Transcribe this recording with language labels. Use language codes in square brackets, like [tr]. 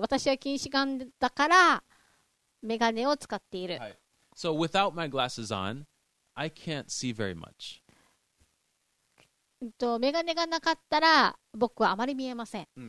[ja] 私は近視眼だから、メガネを使っている。はい。 [en] So without my glasses on, I can't see very much. [ja] メガネがなかったら、僕はあまり見えません。